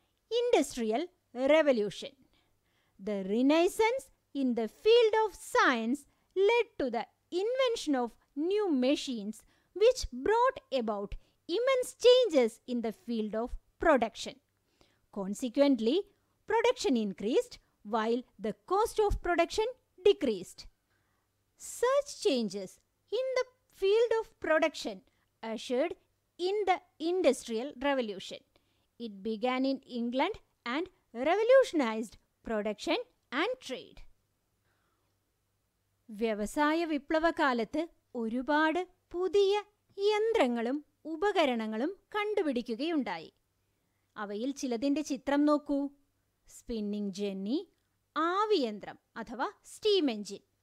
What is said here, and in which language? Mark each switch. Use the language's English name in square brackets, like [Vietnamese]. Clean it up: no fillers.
[English] Industrial revolution. The renaissance in the field of science led to the invention of new machines which brought about immense changes in the field of production. Consequently production increased while the cost of production decreased. Such changes in the field of production ushered in the industrial revolution. It began in England and revolutionized production and trade. [Malayalam] വ്യവസായ വിപ്ലവകാലത്ത് ഒരുപാട് പുതിയ യന്ത്രങ്ങളും ഉപകരണങ്ങളും കണ്ടുപിടിക്കുകയുണ്ടായി. അവയിൽ ചിലതിൻ്റെ ചിത്രം നോക്കൂ. Spinning Jenny, ആവിയന്ത്രം അഥവാ steam engine.